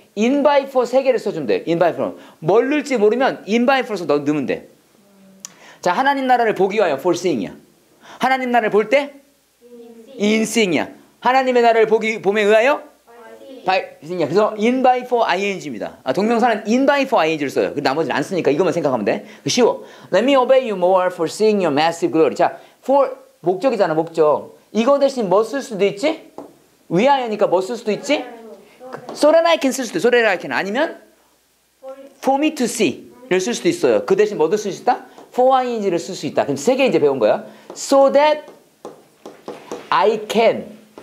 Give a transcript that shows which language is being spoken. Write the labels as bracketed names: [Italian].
[Korean] In by for 세 개를 써주면 돼. [English] In by for. [Korean] 뭘 넣을지 모르면 in by for에서 넣으면 돼. 자 하나님 나라를 보기 위하여 [English] for seeing [Korean] 이야. 하나님 나라를 볼 때? [English] In seeing [Korean] 이야. 하나님의 나라를 봄에 의하여? [English] By seeing. [Korean] 그래서 in by for ing입니다. 아, 동명사는 in by for ing를 써요. 그 나머지는 안 쓰니까 이것만 생각하면 돼. 쉬워. [English] Let me obey you more for seeing your massive glory. [Korean] 자, for 목적이잖아, 목적. 이거 대신 뭐 쓸 수도 있지? 위하여니까 뭐 쓸 수도 있지? [English] So that I can [Korean] 쓸 수도 있어. [English] So that I can. 아니면 for me to see [Korean] 를 쓸 수도 있어요. 그 대신 뭐도 쓸 수 있다? For ing를 쓸 수 있다. 그럼 세 개 이제 배운 거야. [English] So that I can.